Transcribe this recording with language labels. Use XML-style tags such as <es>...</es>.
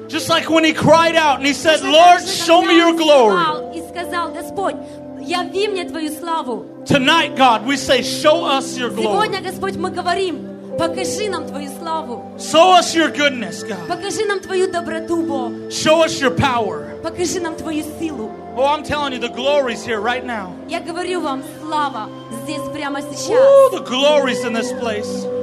<en>Just like when he cried out and he said, Lord, show me your glory.</en> <ru>И сказал, Господь, яви мне твою славу.</ru> <en>Tonight, God, we say, show us your glory.</en> <ru>Сегодня, Господь, мы говорим, покажи нам твою славу.</ru> <en>Show us your goodness, God.</en> <ru>Покажи нам твою доброту, Бог.</ru> <en>Show us your power.</en> <ru>Покажи нам твою силу.</ru> <en>Oh, I'm telling you, the glory's here right now.</en> <ru>Я говорю вам, слава здесь прямо сейчас.</ru> <en>Oh, the glory's in this place.</en>